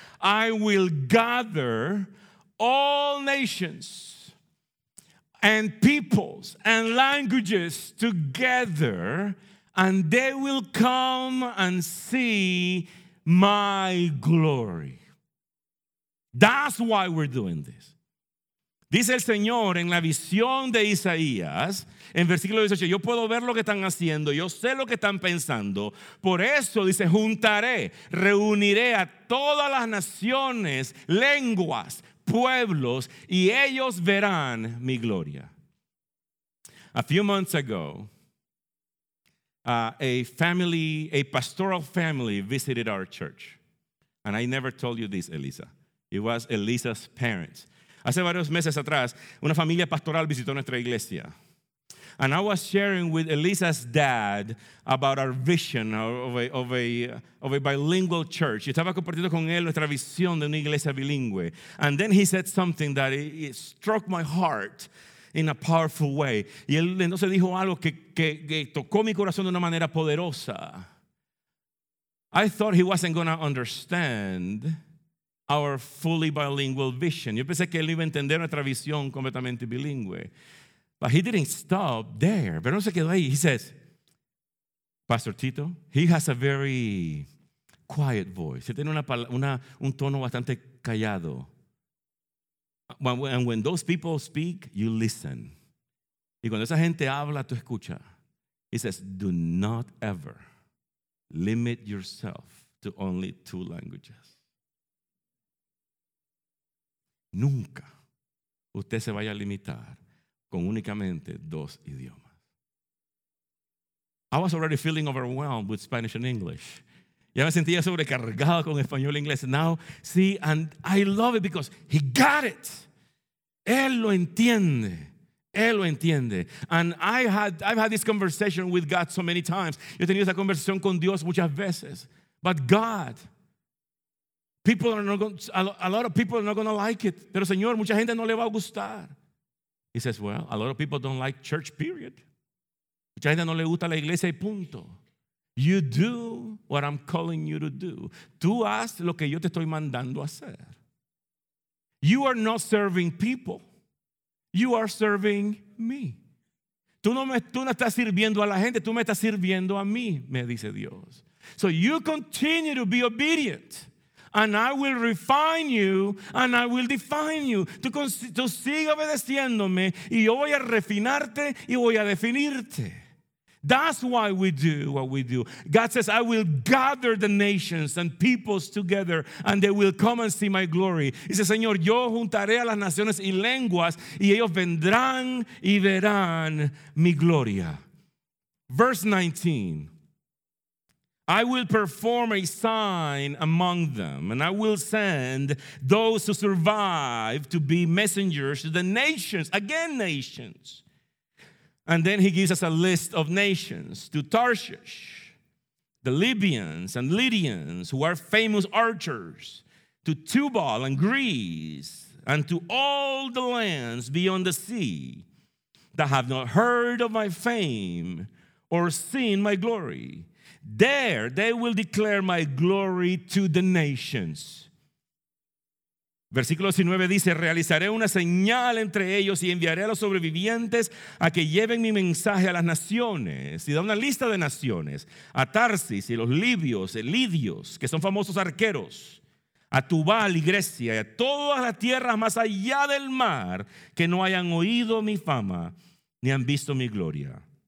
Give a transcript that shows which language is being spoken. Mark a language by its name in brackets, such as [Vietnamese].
[English] I will gather all nations and peoples and languages together, and they will come and see my glory. That's why we're doing this. [Spanish] Dice el Señor en la visión de Isaías, en versículo 18, yo puedo ver lo que están haciendo, yo sé lo que están pensando. Por eso, dice, reuniré a todas las naciones, lenguas, pueblos, y ellos verán mi gloria. [English] A few months ago, a pastoral family visited our church. And I never told you this, Elisa. It was Elisa's parents. [Spanish] Hace varios meses atrás, una familia pastoral visitó nuestra iglesia. [English] And I was sharing with Elisa's dad about our vision of a bilingual church. [Spanish] Yo estaba compartiendo con él nuestra visión de una iglesia bilingüe. [English] And then he said something that it struck my heart in a powerful way. [Spanish] Y él entonces dijo algo que tocó mi corazón de una manera poderosa. [English] I thought he wasn't going to understand our fully bilingual vision. [Spanish] Yo pensé que él iba a entender nuestra visión completamente bilingüe. [English] But he didn't stop there. [Spanish] Pero no se quedó ahí. [English] He says, Pastor Tito, he has a very quiet voice. [Spanish] Él tiene un tono bastante callado. [English] And when those people speak, you listen. [Spanish] Y cuando esa gente habla, tú escuchas. [English] He says, do not ever limit yourself to only two languages. [Spanish] Nunca usted se vaya a limitar con únicamente dos idiomas. [English] I was already feeling overwhelmed with Spanish and English. [Spanish] Ya me sentía sobrecargado con español e inglés. [English] Now, see, and I love it because he got it. [Spanish] Él lo entiende. Él lo entiende. [English] And I've had this conversation with God so many times. [Spanish] Yo he tenido esa conversación con Dios muchas veces. [English] But God, people are not going, a lot of people are not going to like it. [Spanish] Pero Señor, mucha gente no le va a gustar. [English] He says, well, a lot of people don't like church, period. [Spanish] Mucha gente no le gusta la iglesia y punto. [English] You do what I'm calling you to do. [Spanish] Tú haz lo que yo te estoy mandando hacer. [English] You are not serving people. You are serving me. [Spanish] Tú no estás sirviendo a la gente, tú me estás sirviendo a mí, me dice Dios. [English] So you continue to be obedient. And I will refine you and I will define you. [Spanish] Tú sigue obedeciéndome y yo voy a refinarte y voy a definirte. [English] That's why we do what we do. God says, I will gather the nations and peoples together and they will come and see my glory. [Spanish] Dice, Señor, yo juntaré a las naciones y lenguas y ellos vendrán y verán mi gloria. [English] Verse 19. I will perform a sign among them, and I will send those who survive to be messengers to the nations. Again, nations. And then he gives us a list of nations: to Tarshish, the Libyans and Lydians, who are famous archers, to Tubal and Greece, and to all the lands beyond the sea that have not heard of my fame or seen my glory. There they will declare my glory to the nations. [Spanish] Versículo 19 dice, realizaré una señal entre ellos y enviaré a los sobrevivientes a que lleven mi mensaje a las naciones. Y da una lista de naciones. A Tarsis y los libios, lidios, que son famosos arqueros. A Tubal y Grecia y a todas las tierras más allá del mar que no hayan oído mi fama ni han visto mi gloria.